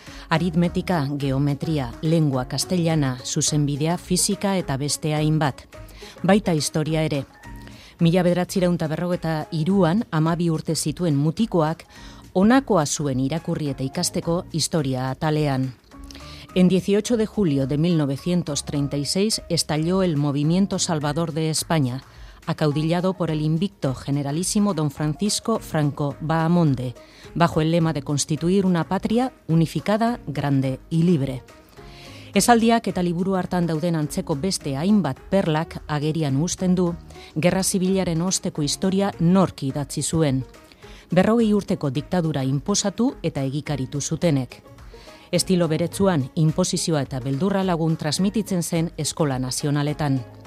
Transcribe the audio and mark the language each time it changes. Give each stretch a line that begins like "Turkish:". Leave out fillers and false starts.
Basque: Aritmetika, geometria, lengua kastellana, zuzenbidea, fisika eta bestea hainbat. Baita historia ere. 1943an 12 urte zituen mutikoak honakoa zuen irakurri eta ikasteko historia atalean.
Spanish: En 18 de julio de 1936 estalló el Movimiento Salvador de España, acaudillado por el invicto generalísimo don Francisco Franco Bahamonde, bajo el lema de constituir una patria unificada, grande y libre.
Basque: Esaldiak eta liburu hartan dauden antzeko beste hainbat perlak agerian uzten du, gerra zibilaren osteko historia norki idatzi zuen. 40 urteko diktadura imposatu eta egikaritu zutenek. Estilo beretsuan, inposizioa eta beldurra lagun transmititzen zen eskola nazionaletan.